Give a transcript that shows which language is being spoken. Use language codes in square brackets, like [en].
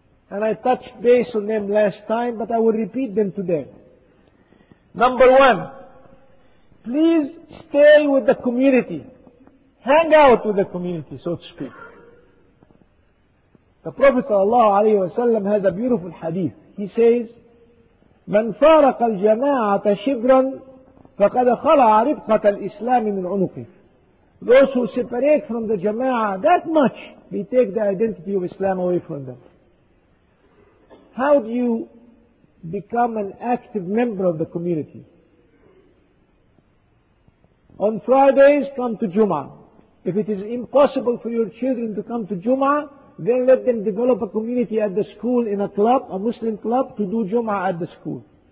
[en] And I touched base on them last time, but I will repeat them today. Number one, please stay with the community. Hang out with the community, so to speak. The Prophet sallallahu alayhi wa sallam has a beautiful hadith. He says, [ar] مَنْ فَارَقَ الْجَمَاعَةَ شِبْرًا فَقَدَ خَلَعَ رِبْقَةَ الْإِسْلَامِ مِنْ عُنُقِهِ. [en] Those who separate from the jama'ah that much, they take the identity of Islam away from them. How do you become an active member of the community? On Fridays, come to Jum'ah. If it is impossible for your children to come to Jum'ah, then let them develop a community at the school in a club, a Muslim club, to do Jum'ah at the school.